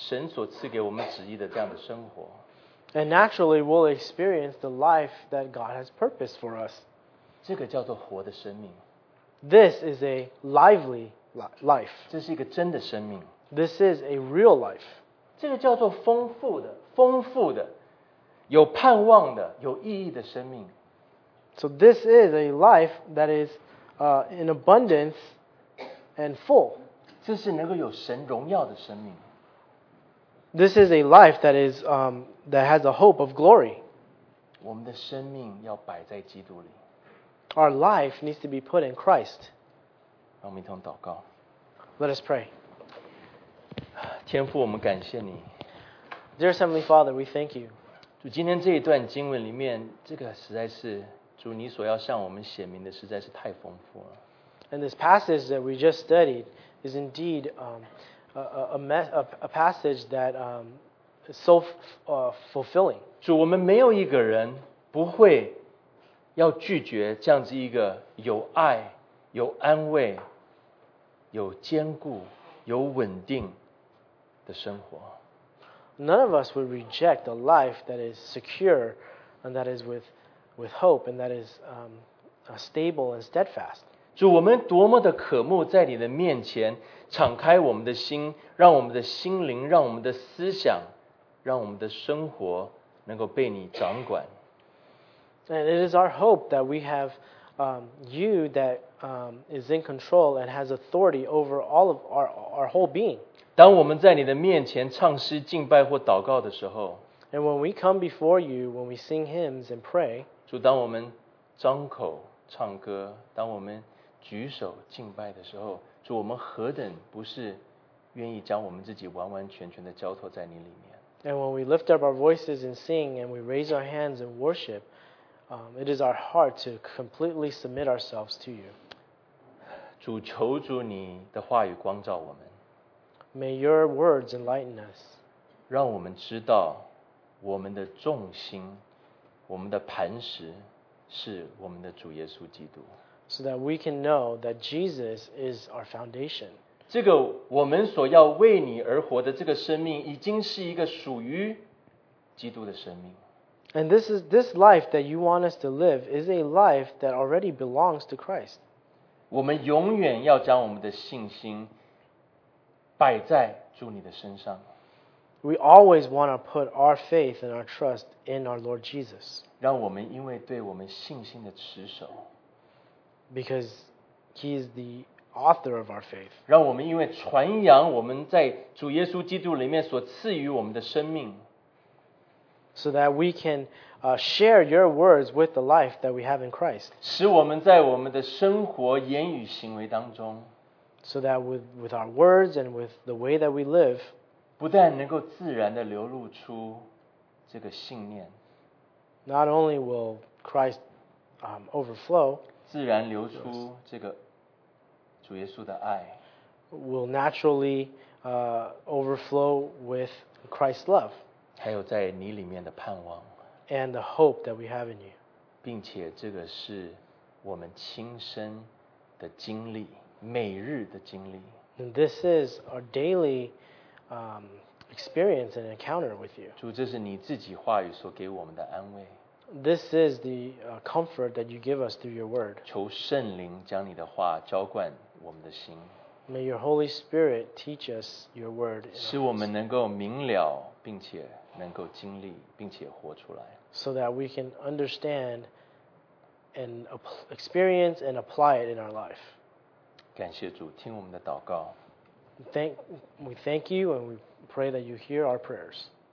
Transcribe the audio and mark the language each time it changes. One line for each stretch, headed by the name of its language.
Chinese: 我们就自然就享受我们在主耶稣基督里面神所赐给我们旨意的这样的生活。
English: And naturally, we'll experience the life that God has purposed for us.
Chinese: 这个叫做活的生命。
English: This is a lively life.
Chinese: 这是一个真的生命。
English: This is a real life.
Chinese: 这个叫做丰富的、丰富的、有盼望的、有意义的生命。
English: So this is a life that is in abundance and full.
Chinese: 这是能够有神荣耀的生命。
English: This is a life that is that has a hope of glory.
Chinese: 我们的生命要摆在基督里。
English: Our life needs to be put in Christ.
Chinese: 让我们一同祷告。
English: Let us pray.
Chinese: 天父，我们感谢你。
English: Dear Heavenly Father, we thank you.
Chinese: 主，今天这一段经文里面，这个实在是主你所要向我们显明的实在是太丰富了。
English: And this passage that we just studied is indeed a passage that is so fulfilling.
Chinese: 主，我们没有一个人不会要拒绝这样子一个有爱、有安慰、有坚固、有稳定的生活。
English: None of us would reject a life that is secure and that is with hope and that is stable and steadfast.
Chinese: 主，我们多么的渴慕在你的面前敞开我们的心，让我们的心灵，让我们的思想，让我们的生活能够被你掌管。
English: And it is our hope that we have you that is in control and has authority over all of our whole being.
Chinese: 当我们在你的面前唱诗敬拜或祷告的时候，
English: And when we come before you, when we sing hymns and pray,
Chinese: 主，当我们张口唱歌，当我们举手敬拜的时候，主，我们何等不是愿意将我们自己完完全全的交托在你里面。
English: And when we lift up our voices and sing and we raise our hands and worship,it is our heart to completely submit ourselves to you.
Chinese: 主，求主你的话语光照我们。
English: May your words enlighten us.
Chinese: 让我们知道我们的重心，我们的磐石是我们的主耶稣基督。
English: So that we can know that Jesus is our foundation.
Chinese: 这个我们所要为你而活的这个生命已经是一个属于基督的生命。
English: And this life that you want us to live is a life that already belongs to Christ.
Chinese: 我们永远要将我们的信心摆在主你的身上。
English: We always want to put our faith and our trust in our Lord Jesus.
Chinese: 让我们因为对我们信心的持守。
English: Because he is the author of our faith.
Chinese: 让我们因为传扬我们在主耶稣基督里面所赐予我们的生命。
English: So that we can share your words with the life that we have in Christ.
Chinese: 使我们在我们的生活、言语、行为当中，
English: so that with our words and with the way that we live,
Chinese: 不但能够自然地流露出这个信念，
English: not only will Christ overflow,
Chinese: 自然流出这个主耶稣的爱，
English: will naturally overflow with Christ's love.
Chinese: 还有在你里面的盼望
English: and the hope that we have in you.
Chinese: 并且这个是我们亲身的经历，每日的经历。
English: And this is our daily experience and encounter with you.
Chinese: 主，这是你自己话语所给我们的安慰。
English: This is the comfort that you give us through your word.
Chinese: 求圣灵将你的话浇灌我们的心。
English: May your Holy Spirit teach us your word.
Chinese: 使我们能够明了并且能够经历并且活出来。
English: So that we can understand and experience and apply it in our life.
Chinese: 感谢主，听我们的祷告。
English: We thank you and we pray that you hear our prayers.